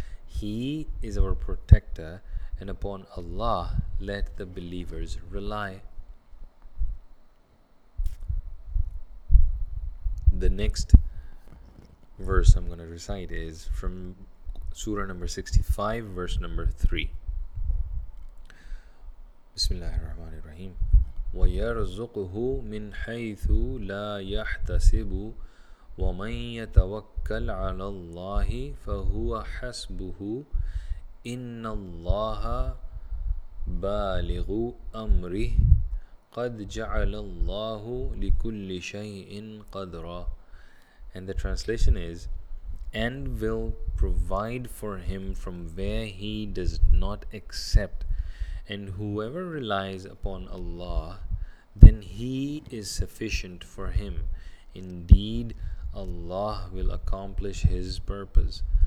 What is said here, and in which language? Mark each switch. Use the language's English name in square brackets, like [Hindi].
[English] He is our protector, and upon Allah let the believers rely. The next verse I'm going to recite is from surah number 65, verse number 3. [Arabic] بسم الله الرحمن الرحيم ويرزقه من حيث لا يحتسب ومن يتوكل على الله فهو حسبه إن الله بالغ أمره قد جعل الله لكل شيء قدرا. [English] And the translation is, and will provide for him from where he does not accept. And whoever relies upon Allah, then He is sufficient for him. Indeed, Allah will accomplish His purpose.